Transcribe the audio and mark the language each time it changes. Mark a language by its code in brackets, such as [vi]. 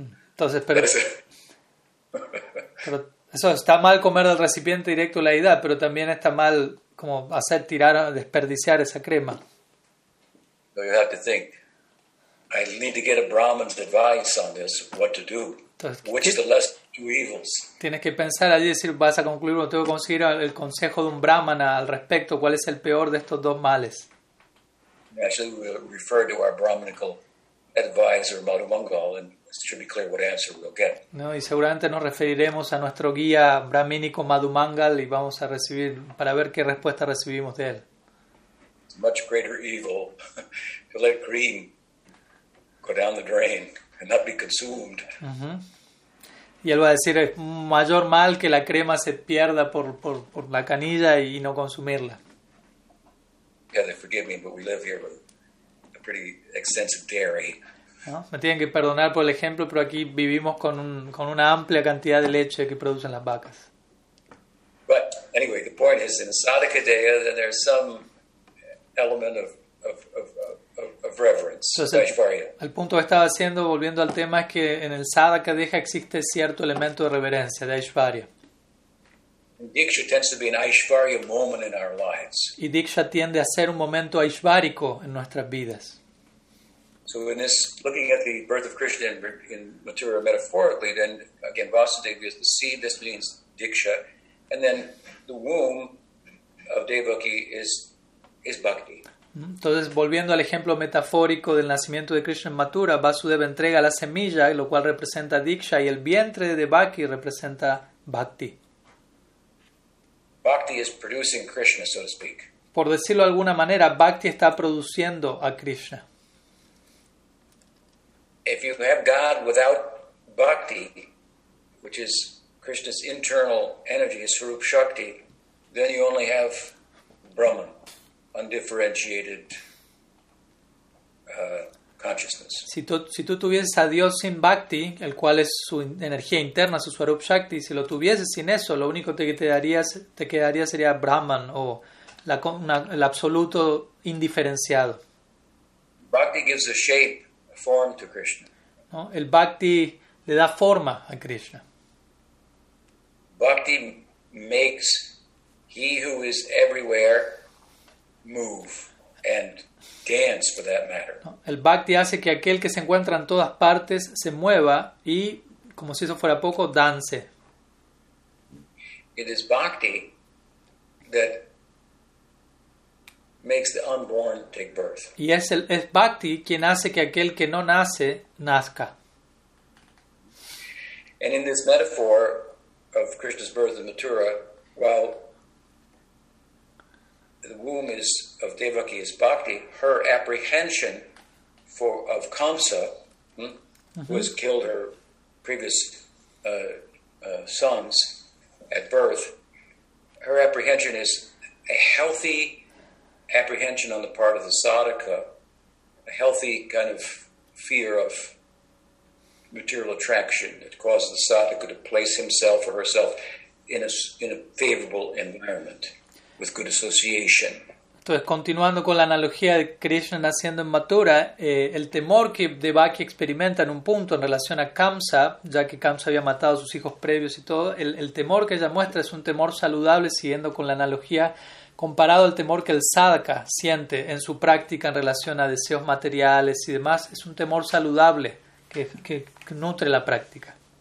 [es] Entonces, pero eso está mal comer del recipiente directo de la deidad, pero también está mal como hacer tirar, desperdiciar esa crema. [en] So you have to think, I need to get a Brahman's advice on this, what to do. Entonces, which is the less two evils. [es] Tienes que pensar allí, decir, vas a concluir, tengo que conseguir el consejo de un Brahmana al respecto, cuál es el peor de estos dos males. [en] Actually, we refer to our Brahminical advisor, Madhumangal, and should be clear what answer we'll get. [es] No, y seguramente nos referiremos a nuestro guía brahmínico Madhumangal y vamos a recibir para ver qué respuesta recibimos de él. [en] It's much greater evil to let greed go down the drain and not be consumed. [es] Y él va a decir, es mayor mal que la crema se pierda por la canilla y no consumirla. [en] Yeah, they forgive me, but we live here with a pretty extensive dairy. [es] ¿No? Me tienen que perdonar por el ejemplo, pero aquí vivimos con una amplia cantidad de leche que producen las vacas. [en] But anyway, the point is in Sadhakadeya that there's some element of reverence. [es] Entonces, el punto que estaba haciendo, volviendo al tema, es que en el Sadhakadeya existe cierto elemento de reverencia, de Aishvarya. [en] Diksha tends to be an Aishvarya moment in our lives. [es] Y Diksha tiende a ser un momento aishvárico en nuestras vidas. [en] So in this, looking at the birth of Krishna in Mathura metaphorically, then again, Vasudeva is the seed, this means Diksha, and then the womb of Devaki is Bhakti. [es] Entonces, volviendo al ejemplo metafórico del nacimiento de Krishna en Mathura, Vasudeva entrega la semilla, lo cual representa Diksha, y el vientre de Devaki representa Bhakti. [en] Bhakti is producing Krishna, so to speak. [es] Por decirlo de alguna manera, Bhakti está produciendo a Krishna. [en] If you have God without Bhakti, which is Krishna's internal energy, his Swarup Shakti, then you only have Brahman, undifferentiated consciousness. [es] Si tú tuvieses a Dios sin Bhakti, el cual es su energía interna, su Swarup Shakti, si lo tuvieses sin eso, lo único que te quedaría sería Brahman, o el absoluto indiferenciado. [en] Bhakti gives a shape. Form to Krishna. [es] ¿No? El bhakti le da forma a Krishna. [en] Bhakti makes he who is everywhere move and dance for that matter. [es] ¿No? El bhakti hace que aquel que se encuentra en todas partes se mueva y, como si eso fuera poco, dance. [en] It is bhakti that makes the unborn take birth. [es] Y es Bhakti quien hace que aquel que no nace, nazca. [en] And in this metaphor of Krishna's birth in Mathura, while the womb is of Devaki is Bhakti, her apprehension of Kamsa was killed her previous sons at birth. Her apprehension is a healthy apprehension on the part of the sadhaka, a healthy kind of fear of material attraction that causes the sadhaka to place himself or herself in a favorable environment with good association. [es] Entonces, continuando con la analogía de Krishna naciendo en Mathura, el temor que Devaki experimenta en un punto en relación a Kamsa, ya que Kamsa había matado a sus hijos previos y todo, el temor que ella muestra es un temor saludable, siguiendo con la analogía, comparado al temor que el sadhaka siente en su práctica en relación a deseos materiales y demás, es un temor saludable que nutre la práctica.